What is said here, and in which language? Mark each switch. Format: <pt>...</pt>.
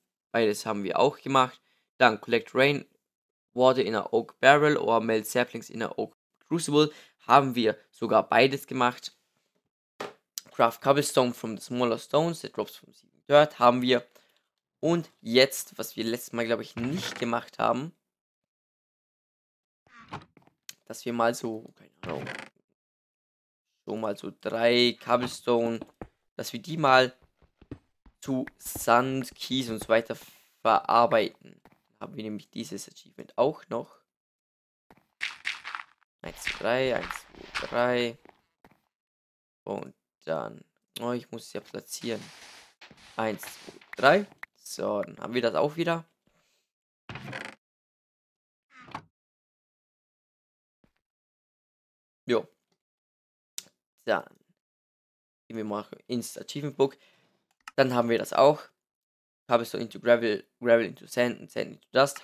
<de>Beides haben wir auch gemacht. Dann</de> <en>collect rain water in a oak barrel or melt saplings in a oak crucible.</en> <de>Haben wir sogar beides gemacht.</de> <en>Craft cobblestone from the smaller stones that drops from the dirt.</en> <de>Haben wir. Und jetzt, was wir letztes Mal, glaube ich, nicht gemacht haben. Dass wir mal so, keine Ahnung, so mal so drei Cobblestone, dass wir die mal zu Sand, Kies und so weiter verarbeiten. Dann haben wir nämlich dieses Achievement auch noch. 1, 2, 3. Und dann, oh, ich muss es ja platzieren. 1, 2, 3. So, dann haben wir das auch wieder. Jo. Dann gehen wir mal ins Achievement Book. Dann haben wir das auch.</de> <en>Cobblestone into gravel, gravel into sand and sand into dust.</en>